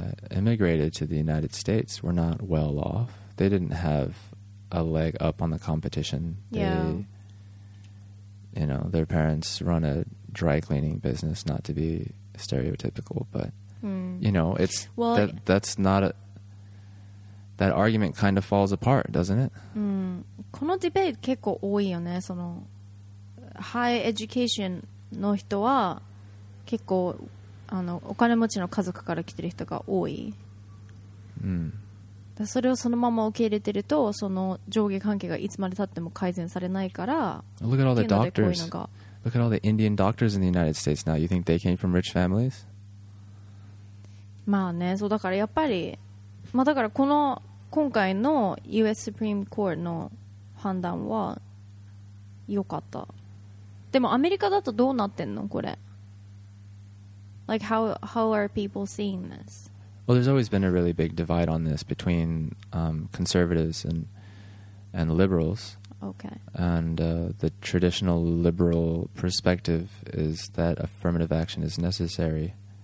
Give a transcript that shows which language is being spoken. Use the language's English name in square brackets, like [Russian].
[English] immigrated to the United States were not well off. They didn't have a leg up on the competition. Yeah. They, you know, their parents run a dry cleaning business, not to be stereotypical, but, you know, it's, well, that, that's not a, that argument kind of falls apart, doesn't it? [Japanese] このディベート結構多いよね。そのハイエデュケーションの人は結構あのお金持ちの家族から来てる人が多い、うん、それをそのまま受け入れてるとその上下関係がいつまで経っても改善されないから [English] Look at all the doctors. Look at all the Indian doctors in the United States now. You think they came from rich families? [Japanese] まあね、そうだからやっぱり、まあ、だからこの今回の US Supreme Court の判断は良かった。でもアメリカだとどうなってんのこれ。 [English] Like how are people seeing this? Well, there's always been a really big divide on this between conservatives and liberals. Okay. And the traditional liberal perspective is that affirmative action is necessary.